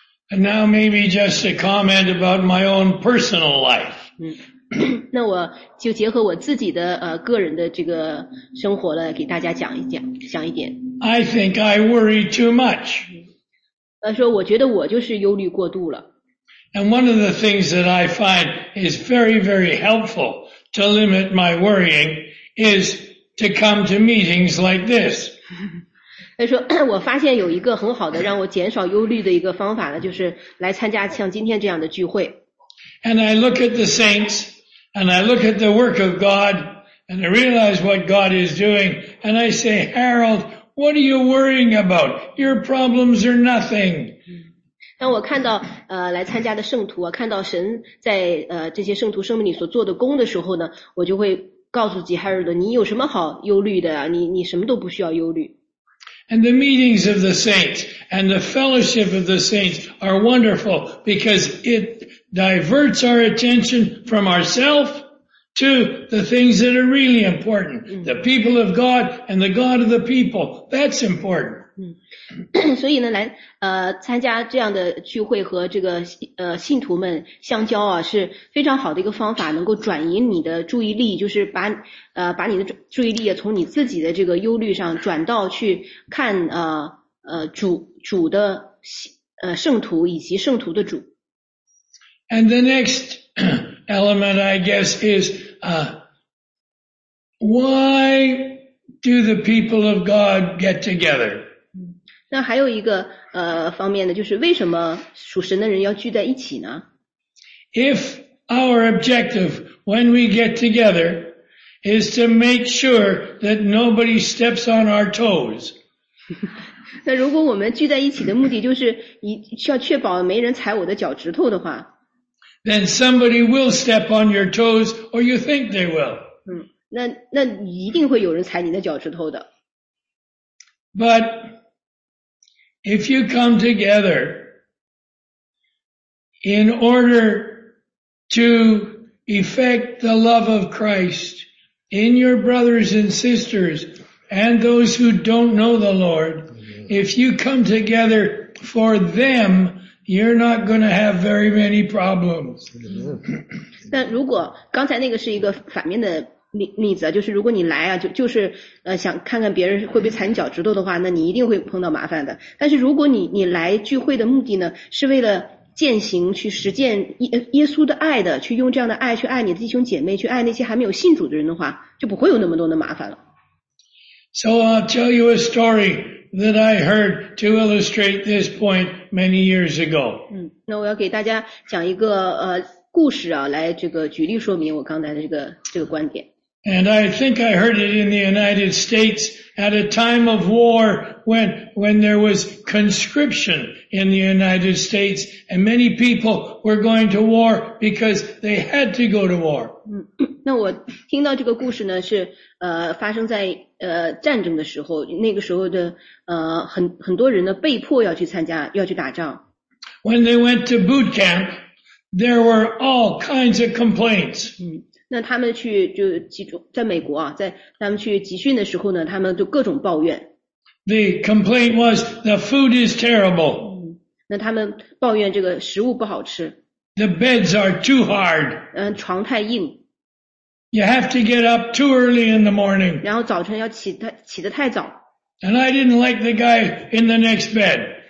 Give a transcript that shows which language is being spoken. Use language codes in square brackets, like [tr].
[en] And now maybe just a comment about my own personal life. [zh] 那我就结合我自己的个人的这个生活了，给大家讲一讲，讲一点。 [en] I think I worry too much. [zh] 说我觉得我就是忧虑过度了。 [en] And one of the things that I find is very, very helpful to limit my worrying is to come to meetings like this. [zh] 他说我发现有一个很好的让我减少忧虑的一个方法呢，就是来参加像今天这样的聚会。 [en] And I look at the saints, and I look at the work of God, and I realize what God is doing, and I say, Harold, what are you worrying about? Your problems are nothing. [zh] 当我看到来参加的圣徒，看到神在这些圣徒生命里所做的功的时候呢，我就会告诉吉海尔德，你有什么好忧虑的啊？你什么都不需要忧虑。 [en] And the meetings of the saints and the fellowship of the saints are wonderful because it diverts our attention from ourselves to the things that are really important. The people of God and the God of the people. That's important. [zh] 所以呢，来参加这样的聚会和这个信徒们相交啊，是非常好的一个方法，能够转移你的注意力，就是把你的注意力也从你自己的这个忧虑上转到去看主的圣徒以及圣徒的主。 [en] And the next element, I guess, is why do the people of God get together? [zh] 那还有一个方面呢，就是为什么属神的人要聚在一起呢？ [en] If our objective when we get together is to make sure that nobody steps on our toes. [zh] 那如果我们聚在一起的目的就是需要确保没人踩我的脚趾头的话， [en] then somebody will step on your toes or you think they will. [zh] 那一定会有人踩你的脚趾头的。 [en] ButIf you come together in order to effect the love of Christ in your brothers and sisters and those who don't know the Lord, if you come together for them, you're not going to have very many problems. [zh] 那如果刚才那个是一个反面的例子，就是如果你来啊，就是想看看别人会不会踩你脚趾头的话，那你一定会碰到麻烦的。但是如果你来聚会的目的呢，是为了践行去实践耶稣的爱的，去用这样的爱去爱你的弟兄姐妹，去爱那些还没有信主的人的话，就不会有那么多的麻烦了。 [en] So I'll tell you a story that I heard to illustrate this point many years ago. [zh] 那我要给大家讲一个故事啊，来这个举例说明我刚才的这个观点。 [en] And I think I heard it in the United States at a time of war when there was conscription in the United States and many people were going to war because they had to go to war. [zh] 那我听到这个故事呢是发生在战争的时候，那个时候的很多人呢被迫要去参加，要去打仗。 [en] When they went to boot camp, there were all kinds of complaints. [zh] 那他们去就集中在美国啊，在他们去集训的时候呢，他们就各种抱怨。 [en] The complaint was the food is terrible. [zh] 那他们抱怨这个食物不好吃。 [en] The beds are too hard. [zh] 床太硬。 [en] You have to get up too early in the morning. [zh] 然后早晨要起得太早。 [en] And I didn't like the guy in the next bed.